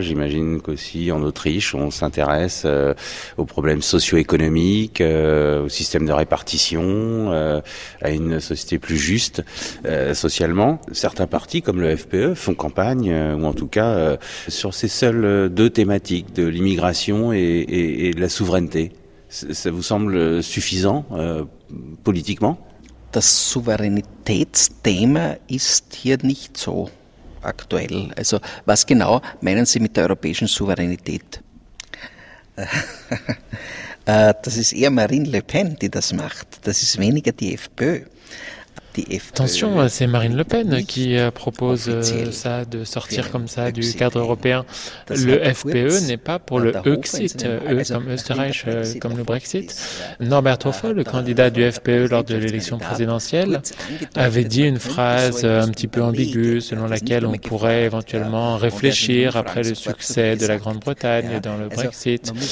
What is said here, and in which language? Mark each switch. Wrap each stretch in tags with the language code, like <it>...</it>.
<fr>J'imagine qu'aussi en Autriche, on s'intéresse aux problèmes socio-économiques, au système de répartition, à une société plus juste socialement. Certains partis, comme le FPE, font campagne, ou en tout cas sur ces seules deux thématiques. De l'immigration et de la souveraineté. Ça vous semble suffisant politiquement ?</fr> <de>Das Souveränitätsthema ist hier nicht so aktuell. Also was genau meinen Sie mit der europäischen Souveränität? Das ist eher Marine Le Pen, die das macht. Das ist weniger die FPÖ.</de> <fr>Attention, c'est Marine Le Pen qui propose ça, de sortir comme ça du cadre européen. Le FPE n'est pas pour le Exit, comme Österreich, comme le Brexit. Norbert Hofer, le candidat du FPE lors de l'élection présidentielle, avait dit une phrase un petit peu ambiguë selon laquelle on pourrait éventuellement réfléchir après le succès de la Grande-Bretagne dans le Brexit.</fr>